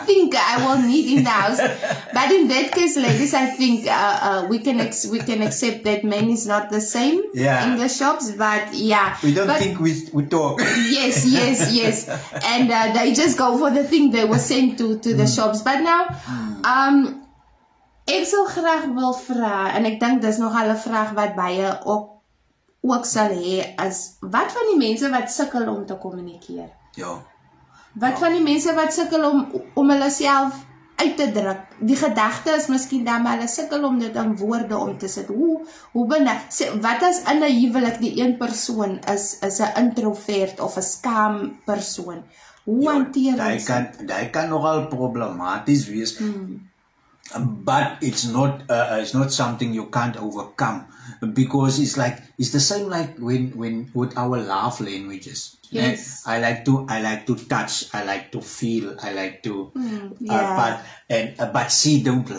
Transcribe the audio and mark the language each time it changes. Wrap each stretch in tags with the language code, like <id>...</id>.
<en>you think I will need in the house. But in that case, ladies, I think we can accept that men is not the same yeah, in the shops. But yeah. We don't think we talk. Yes, yes, yes. And they just go for the thing they were sent to the shops. But now,</en> <af>ek sal graag wil vra, en ek dink dis nogal 'n vraag wat baie ook sal hê, is wat van die mense wat sukkel om te kommunikeer? Ja. Wat van die mense wat sukkel om hulle self uit te druk? Die gedagte is miskien dan, maar hulle sukkel om dit in woorde om te sit. Hoe binne, wat as in 'n huwelik die een persoon is 'n introvert of 'n skaam persoon? Hoe hanteer ons dit? Daai kan nogal problematies wees.</af> <en>But it's not something you can't overcome, because it's like it's the same like when with our love languages. Yes. I like to touch. I like to feel. I like to. But she don't like.</en>